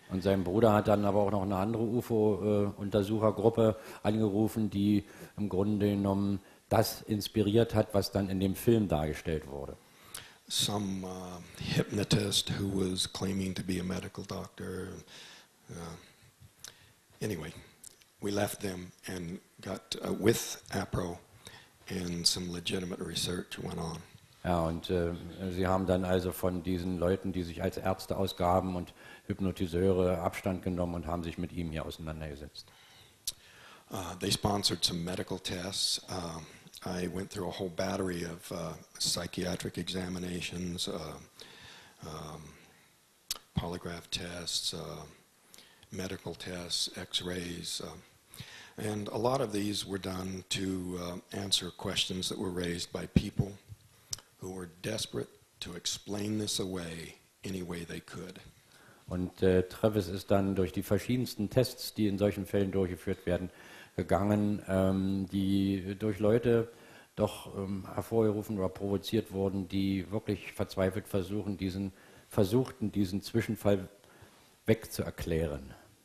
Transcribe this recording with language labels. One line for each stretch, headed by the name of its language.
German: Und sein Bruder hat dann aber auch noch eine andere UFO-Untersuchergruppe angerufen, die im Grunde genommen das inspiriert hat, was dann in dem Film dargestellt wurde.
English: Some hypnotist who was claiming to be a medical doctor. Anyway, we left them and got with APRO, and some legitimate research went on.
German: Ja, und sie haben dann also von diesen Leuten, die sich als Ärzte ausgaben und Hypnotiseure, Abstand genommen und haben sich mit ihm hier auseinandergesetzt.
English: They sponsored some medical tests. I went through a whole battery of psychiatric examinations, polygraph tests, medical tests, x-rays. And a lot of these were done to answer questions that were raised by people who were desperate to explain this away any way they could.
German: Und Travis ist dann durch die verschiedensten Tests, die in solchen Fällen durchgeführt werden, gegangen, die durch Leute doch hervorgerufen oder provoziert wurden, die wirklich verzweifelt versuchten diesen Zwischenfall wegzuerklären.